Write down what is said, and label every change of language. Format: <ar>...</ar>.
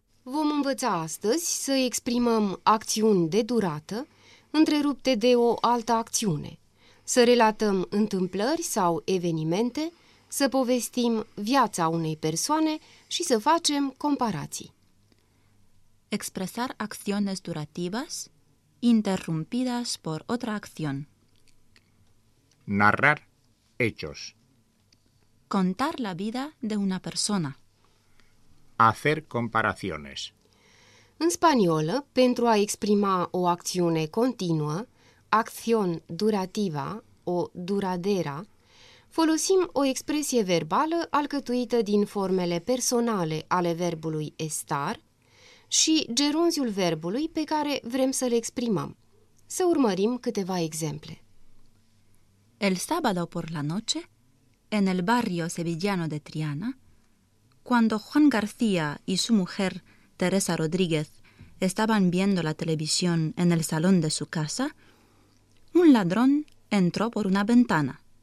<ro>Vom învăța astăzi să exprimăm acțiuni de durată întrerupte de o altă acțiune, să relatăm întâmplări sau evenimente, să povestim viața unei persoane și să facem comparații.</ro> <es>Expresar acciones durativas interrumpidas por otra acción. Narrar hechos. Contar la vida de una persona. Hacer comparaciones.</es> <ro>În spaniolă, pentru a exprima o acțiune continuă,</ro> <es>acción durativa o duradera,</es> <ro>folosim o expresie verbală alcătuită din formele personale ale verbului estar și gerunziul verbului pe care vrem să-l exprimăm. Să urmărim câteva exemple.</ro> <es>El sábado por la noche, en el barrio sevillano de Triana, cuando Juan García y su mujer Teresa Rodríguez estaban viendo la televisión en el salón de su casa, un ladrón entró por una ventana.</es>